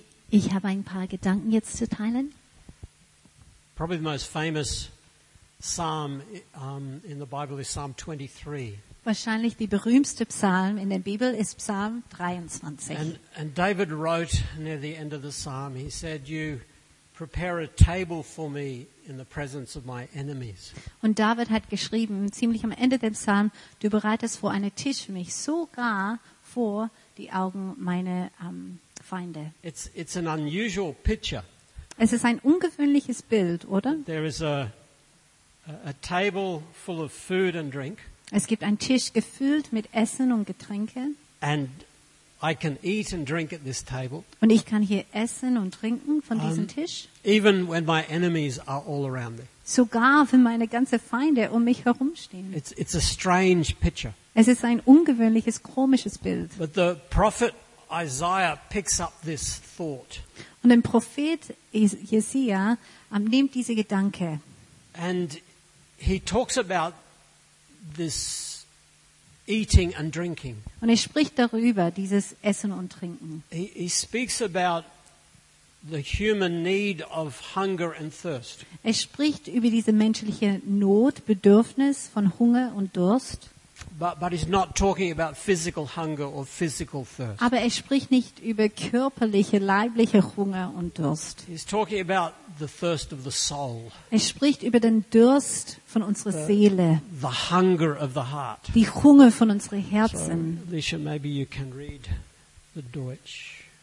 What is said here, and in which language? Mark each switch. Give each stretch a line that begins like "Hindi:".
German: Ich habe ein paar Gedanken jetzt zu teilen.
English: Probably the most famous Psalm in the Bible is Psalm 23.
German: Wahrscheinlich die berühmte Psalm in der Bibel ist Psalm 23.
English: And David wrote near the end of the Psalm, he said, "You prepare a table for me in the presence of my enemies."
German: Und David hat geschrieben, ziemlich am Ende des Psalms, du bereitest vor einen Tisch für mich, sogar vor die Augen meiner Feinde.
English: It's an unusual picture.
German: Es ist ein ungewöhnliches Bild, oder?
English: There is a table full of food and drink.
German: Es gibt einen Tisch gefüllt mit Essen und Getränke.
English: And I can eat and drink at this table.
German: Und ich kann hier essen und trinken von diesem Tisch.
English: Even when my enemies are all around me.
German: Sogar wenn meine ganzen Feinde um mich herumstehen.
English: It's a strange picture.
German: Es ist ein ungewöhnliches, komisches Bild.
English: But the prophet Isaiah picks up this thought.
German: Und der Prophet Jesaja nimmt diese Gedanke.
English: And he talks about this eating and drinking.
German: Und er spricht darüber, dieses Essen und Trinken.
English: He speaks about the human need of hunger and thirst.
German: Er spricht über diese menschliche Not, Bedürfnis von Hunger und Durst.
English: But he's not talking about physical hunger or physical thirst.
German: Aber er spricht nicht über körperliche, leibliche Hunger und Durst.
English: He's talking about the thirst of the soul.
German: Er spricht über den Durst von unserer Seele.
English: The hunger of the heart.
German: Die Hunger von unserem Herzen.
English: So, Alicia, maybe you can read the Deutsch.